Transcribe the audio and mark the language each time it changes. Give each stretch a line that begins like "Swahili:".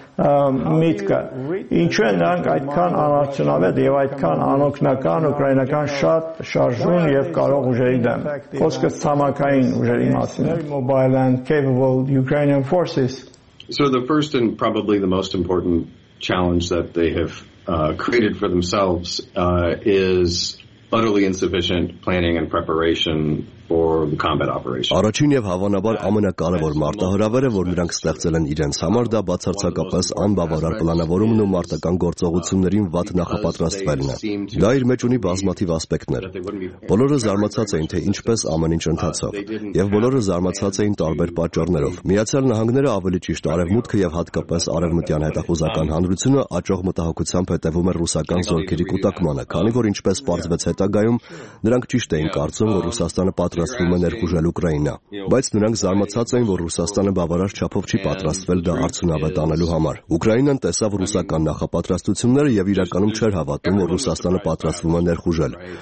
Armenian: Why միտքը, ինչու են նրանք այդքան անարդյունավետ եւ այդքան անօգնական ուկրաինական շատ շարժուն եւ կարող ուժերի դեմ, խոսքը ցամաքային ուժերի մասին։
English: Mobile and capable Ukrainian forces. So the first and probably the most important challenge that they have created for themselves is utterly insufficient planning and preparation for the combat operation.
Armenian: Առաջին եւ հավանաբար ամենակարևոր մարտահրավերը, որ նրանք ստեղծել են իրենց համար, դա բացարձակապես անբավարար պլանավորումն ու մարտական գործողություններին վատ նախապատրաստվելն է։ Դա իր մեջ ունի բազմաթիվ ասպեկտներ։ Բոլորը զարմացած էին, թե ինչպես ամեն ինչ ընթացավ, եւ բոլորը զարմացած էին տարբեր պատճառներով։ Միացյալ Նահանգները, ավելի ճիշտ Արևմուտքը եւ հատկապես Արևմտյան Հետախուզական Հանրությունը աճող մտահոգությամբ հետևում էր ռուսական զորքերի կուտակմանը, քանի որ ինչպես պարզվեց հետագայում, նրանք ճիշտ էին կարծում, որ Ռուսաստանը պատրաստվում է ներխուժել Ուկրաինա, բայց նրանք զարմացած էին, որ Ռուսաստանը բավարար չափով չի պատրաստվել դա արդյունավետ անելու համար։ Ուկրաինան տեսավ ռուսական նախապատրաստությունները եւ իրականում չէր հավատում, որ Ռուսաստանը պատրաստվում է ներխուժել,